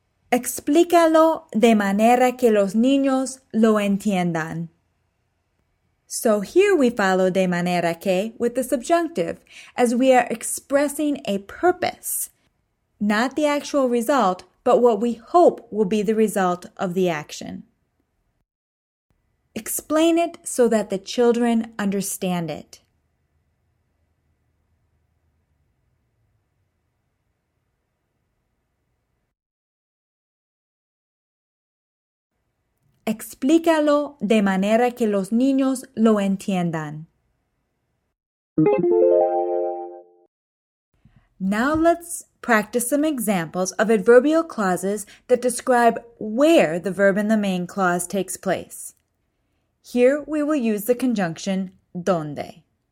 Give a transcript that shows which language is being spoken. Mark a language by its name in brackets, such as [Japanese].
[Spanish] Explícalo de manera que los niños lo entiendan. [English] So here we follow de manera que with the subjunctive, as we are expressing a purpose. Not the actual result, but what we hope will be the result of the action. Explain it so that the children understand it. [Spanish] Explícalo de manera que los niños lo entiendan. [English] Now let's practice some examples of adverbial clauses that describe where the verb in the main clause takes place. Here we will use the conjunction donde.